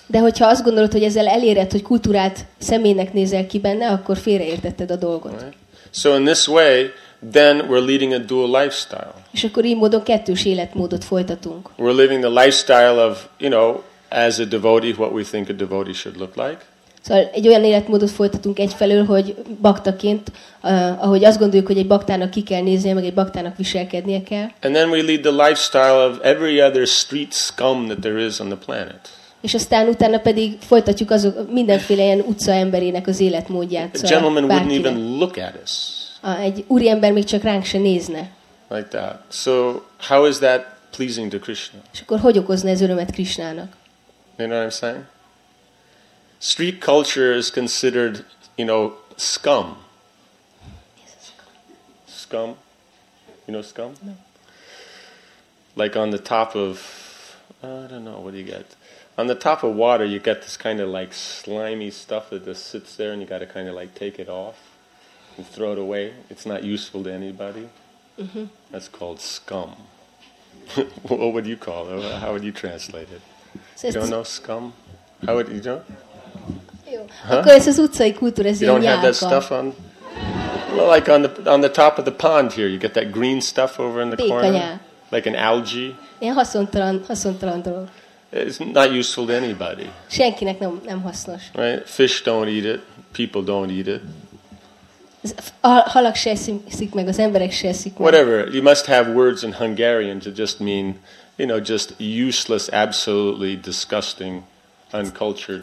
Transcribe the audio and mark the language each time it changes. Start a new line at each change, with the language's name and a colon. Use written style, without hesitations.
Hungarian: De hogyha azt gondolod, hogy ezzel eléred, hogy kultúrát személynek nézel ki benne, akkor félreértetted a dolgot.
English: Right. So in this way, then we're leading a dual lifestyle.
Hungarian: És akkor így módon kettős életmódot folytatunk.
English: We're living the lifestyle of, you know, as a devotee, what we think a devotee should look like.
Hungarian: Szóval egy olyan életmódot folytatunk egyfelől, hogy baktaként, ahogy azt gondoljuk, hogy egy baktának ki kell néznie, meg egy baktának viselkednie kell.
English: And then we lead the lifestyle of every other street scum that there is on the planet.
Hungarian: És aztán utána pedig folytatjuk azok mindenféle ilyen utca emberének az életmódját.
English: A gentleman wouldn't even look at us. Egy úriember még csak ránk se nézne. Like that. So how is that pleasing to Krishna?
Hungarian: És akkor hogy okozna ez örömet Krishnának?
English: You know what I'm saying? Street culture is considered, you know, scum. Scum? You know scum? No. Like on the top of, I don't know, what do you get? On the top of water, you get this kind of like slimy stuff that just sits there and you got to kind of like take it off and throw it away. It's not useful to anybody. Mm-hmm. That's called scum. What would you call it? How would you translate it? So you don't know scum? How would you know? Huh?
Hungarian: Akkor ez az utcai kultúra, ez
English: you don't have that stuff on? Well, like on the top of the pond here, you get that green stuff over in the
Hungarian: béka
English: corner? Nyá. Like an algae?
Hungarian: Ilyen haszontalan dolog.
English: It's not useful to anybody.
Hungarian: Senkinek nem hasznos.
English: Right? Fish don't eat it. People don't eat it.
Hungarian: Halak se eszik meg, az emberek se eszik meg.
English: Whatever. You must have words in Hungarian to just mean, you know, just useless, absolutely disgusting, uncultured.